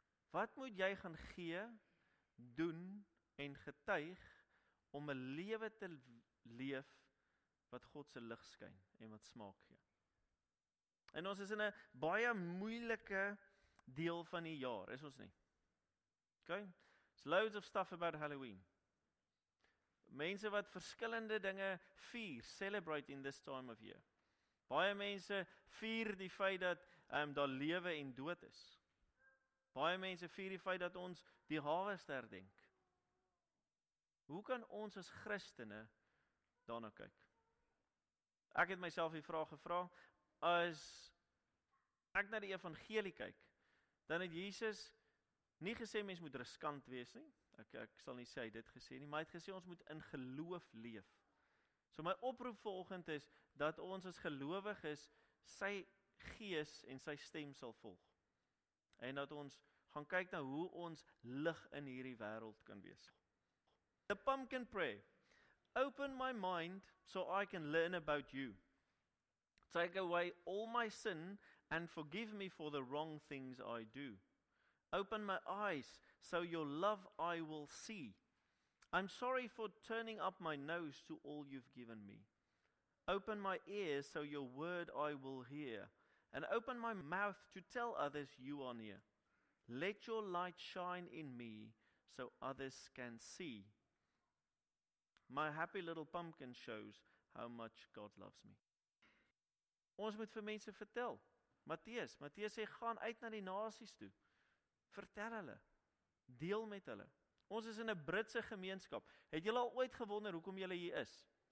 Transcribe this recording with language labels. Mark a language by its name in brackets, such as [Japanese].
[Afrikaans] Wat moet jy gaan gee, doen en getuig om 'n lewe te leef wat God se lig skyn en wat smaak gee? En ons is in 'n baie moeilike deel van die jaar, is ons nie? [English] Okay, there's loads of stuff about Halloween. [Afrikaans] Mense wat verskillende dinge vier, [English] celebrate in this time of year. [Afrikaans] Baie mense vier die feit dat daar lewe en dood is. Baie mense vier die feit dat ons die hawester denk. Hoe kan ons as Christene daarna kyk? Ek het myself die vraag gevra, as ek na die evangelie kyk, dan het Jesus nie gesê mens moet riskant wees nie. Ek sal nie sê hy dit gesê nie, maar hy het gesê ons moet in geloof leef. So my oproep volgend is, dat ons as gelowig is, sy gees en sy stem sal volg. En dat ons gaan kyk na hoe ons lig in hierdie wêreld kan wees. [English] The pumpkin prayer. Open my mind so I can learn about you. Take away all my sin and forgive me for the wrong things I do. Open my eyes so your love I will see. I'm sorry for turning up my nose to all you've given me. Open my ears so your word I will hear. And open my mouth to tell others you are near. Let your light shine in me so others can see. My happy little pumpkin shows how much God loves me. [Afrikaans] Ons moet vir mense vertel. Matteus sê, gaan uit na die nasies toe. Vertel hulle. Deel met hulle. Ons is in 'n Britse gemeenskap. Het julle al ooit gewonder hoekom julle hier is?